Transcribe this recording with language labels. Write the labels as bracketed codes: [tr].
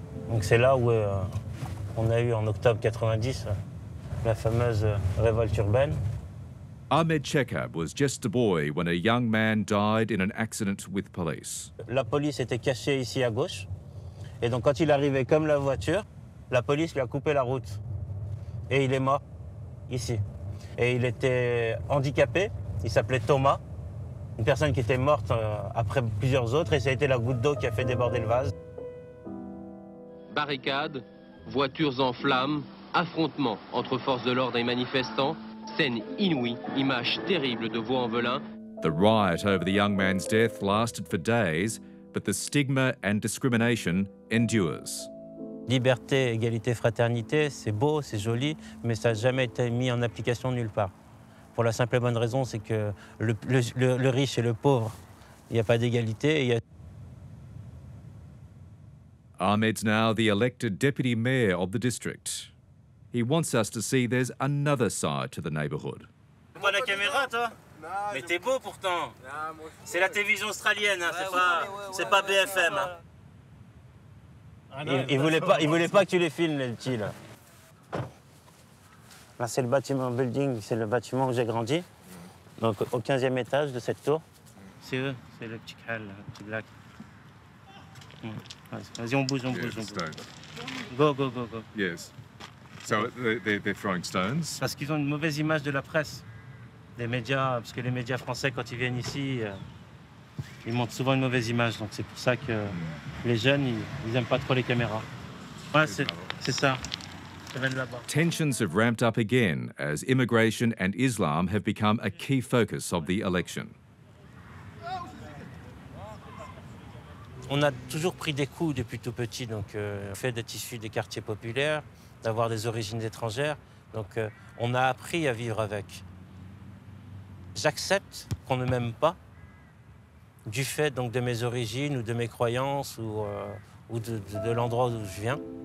[fr] Donc c'est là où on a eu en octobre 90 la fameuse révolte urbaine. [en] Ahmed Chekab was just a boy when a young man died in an accident with police. [fr] La police était cachée ici à gauche. Et donc quand il arrivait comme la voiture, la police lui a coupé la route. Et il est mort ici. Et il était handicapé, il s'appelait Thomas. Une personne qui était morte après plusieurs autres et ça a été la goutte d'eau qui a fait déborder le vase. Barricades, voitures en flammes, affrontements entre forces de l'ordre et manifestants. [en] The riot over the young man's death lasted for days, but the stigma and discrimination endures. [fr] Liberté, égalité, fraternité, c'est beau, c'est joli, mais ça n'a jamais été mis en application nulle part. Pour la simple et bonne raison, c'est que le riche et le pauvre, il n'y a pas d'égalité. Y a... [en] Ahmed's now the elected deputy mayor of the district. He wants us to see there's another side to the neighborhood. [fr] Tu vois la caméra, toi? Mais t'es beau pourtant. C'est la télévision australienne, hein. C'est pas BFM. Hein. Il voulait pas que tu les filmes, les petits. Là, c'est le bâtiment building, c'est le bâtiment où j'ai grandi. Donc, au 15e étage de cette tour. C'est eux, c'est le petit khal, le petit black. Vas-y, on bouge. Go. [en] Yes. So they're throwing stones. [fr] Parce qu'ils ont une mauvaise image de la presse. Les médias, parce que les médias français, quand ils viennent ici, ils montrent souvent une mauvaise image. Donc c'est pour ça que les jeunes, ils aiment pas trop les caméras. Ouais, c'est ça. Ça vient de là-bas. [en] Tensions have ramped up again as immigration and Islam have become a key focus of the election. [fr] On a toujours pris des coups depuis tout petit, donc le fait d'être issu des quartiers populaires, d'avoir des origines étrangères, donc on a appris à vivre avec. J'accepte qu'on ne m'aime pas du fait donc de mes origines ou de mes croyances ou de l'endroit d'où je viens.